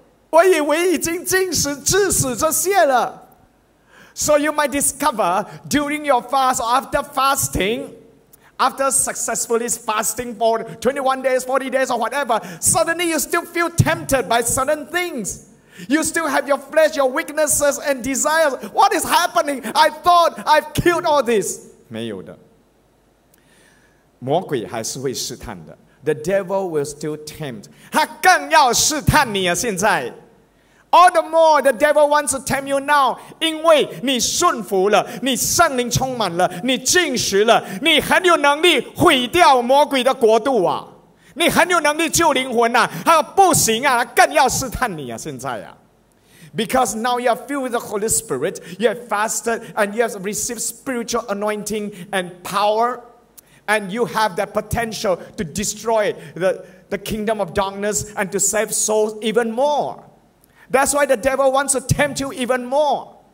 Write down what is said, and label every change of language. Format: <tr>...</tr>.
<zh>我以为已经进食致死这些了。</zh> <en>So you might discover during your fast or after fasting, after successfully fasting for 21 days, 40 days or whatever, suddenly you still feel tempted by certain things. You still have your flesh, your weaknesses and desires. What is happening? I thought I've killed all this.</en> <zh>没有的，魔鬼还是会试探的。</zh> <en>The devil will still tempt.</en> <zh>他更要试探你啊！</zh> <en>现在 ，All the more the devil wants to tempt you now.</en> <zh>因为你顺服了，你圣灵充满了，你进食了，你很有能力毁掉魔鬼的国度啊！你很有能力救灵魂啊！他不行啊，他更要试探你啊！现在啊。</zh> <en>Because now you are filled with the Holy Spirit, you have fasted, and you have received spiritual anointing and power, and you have that potential to destroy the kingdom of darkness and to save souls even more. That's why the devil wants to tempt you even more.</en>